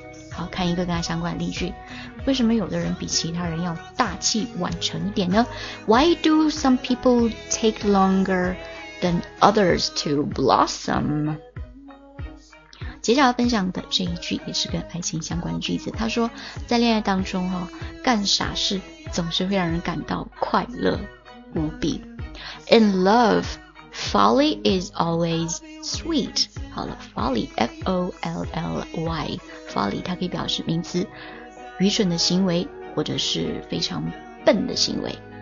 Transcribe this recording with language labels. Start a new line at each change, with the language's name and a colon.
Chinese: 好，看一个跟它相关的例句。为什么有的人比其他人要大器晚成一点呢？
English: Why do some people take longer than others to blossom?
Chinese: 接下来分享的这一句也是跟爱情相关的句子，他说在恋爱当中，干傻事总是会让人感到快乐无比。
English: In love, folly is always sweet.
Chinese: 好了， folly, F-O-L-L-Y, folly 它可以表示名词，愚蠢的行为或者是非常笨的行为。